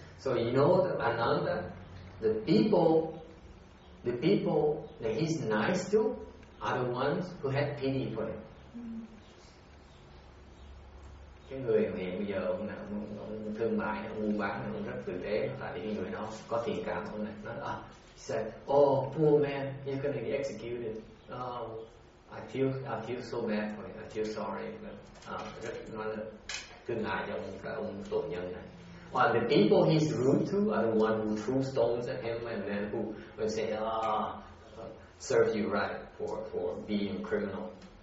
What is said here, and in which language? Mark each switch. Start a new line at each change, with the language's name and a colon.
English: So you know that Ananda, the people that he's nice to are the ones who had pity for him. Mm-hmm.
Vietnamese: cái người hiện bây giờ ông nào ông thương mại buôn bán cũng rất tử tế, tại vì người đó có thiện cảm ông này, nó
English: said oh poor man you can be executed, I feel so bad for you, I feel sorry,
Vietnamese: rất nói là thương hại cho ông tội nhân này.
English: Well, the people he's rude to are the one who threw stones at him and then who would say, serve you right for being a criminal.